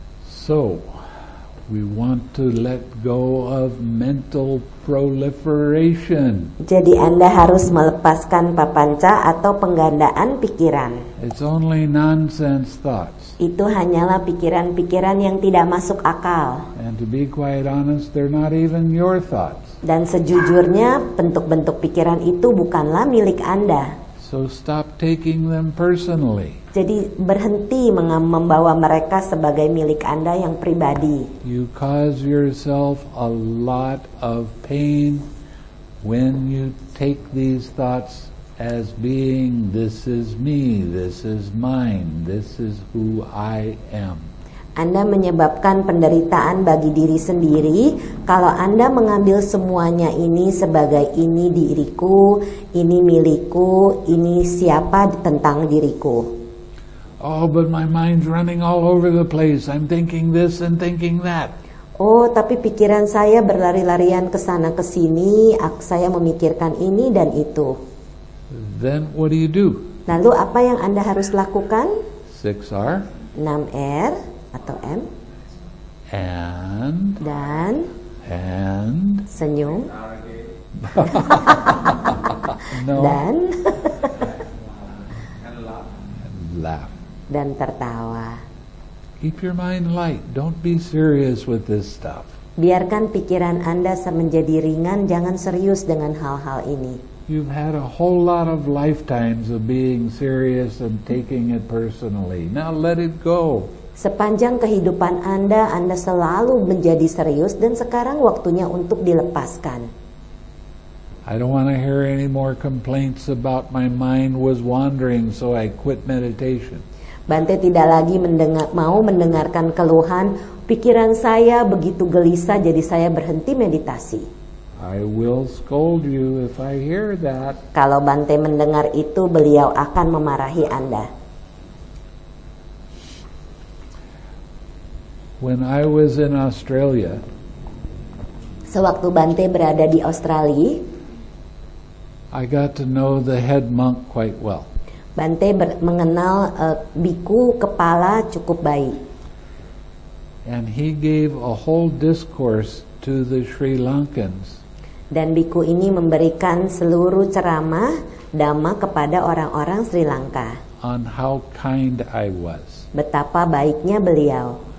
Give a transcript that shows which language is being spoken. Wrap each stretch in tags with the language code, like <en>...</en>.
<en>So, we want to let go of mental proliferation.</en> <id>Jadi Anda harus melepaskan papanca atau penggandaan pikiran.</id> <en>It's only nonsense thoughts.</en> <id>Itu hanyalah pikiran-pikiran yang tidak masuk akal.</id> <en>And to be quite honest, they're not even your thoughts.</en> <id>Dan sejujurnya, bentuk-bentuk pikiran itu bukanlah milik Anda.</id> <en>So stop taking them personally.</en> <id>Jadi berhenti membawa mereka sebagai milik Anda yang pribadi.</id> <en>You cause yourself a lot of pain when you take these thoughts as being this is me, this is mine, this is who I am.</en> <id>Anda menyebabkan penderitaan bagi diri sendiri kalau Anda mengambil semuanya ini sebagai ini diriku, ini milikku, ini siapa tentang diriku.</id> <en>Oh, but my mind's running all over the place. I'm thinking this and thinking that.</en> <id>Oh, tapi pikiran saya berlari-larian ke sana ke sini. Saya memikirkan ini dan itu.</id> <en>Then what do you do?</en> <id>Lalu apa yang Anda harus lakukan?</id> <en>6R.</en> <id>6R atau M?</id> <en>And.</en> <id>Dan.</id> <en>And.</en> <id>Senyum.</id> <en>No.</en> <id>Dan.</id> <en>And laugh.</en> <id>Dan tertawa.</id> <en>Keep your mind light. Don't be serious with this stuff.</en> <id>Biarkan pikiran Anda menjadi ringan. Jangan serius dengan hal-hal ini.</id> <en>You've had a whole lot of lifetimes of being serious and taking it personally. Now let it go.</en> <id>Sepanjang kehidupan Anda, Anda selalu menjadi serius dan sekarang waktunya untuk dilepaskan.</id> <en>I don't want to hear any more complaints about my mind was wandering, so I quit meditation.</en> <id>Bante tidak lagi mendengarkan keluhan, pikiran saya begitu gelisah jadi saya berhenti meditasi.</id> <en>I will scold you if I hear that.</en> <id>Kalau Bante mendengar itu, beliau akan memarahi Anda.</id> <en>When I was in Australia,</en> <id>sewaktu Bante berada di Australia,</id> <en>I got to know the head monk quite well.</en> <id>Bante mengenal biku kepala cukup baik.</id> <en>And he gave a whole discourse to the Sri Lankans.</en> <id>Dan biku ini memberikan seluruh ceramah dhamma kepada orang-orang Sri Lanka.</id> <en>On how kind I was.</en> <id>Betapa baiknya beliau.</id>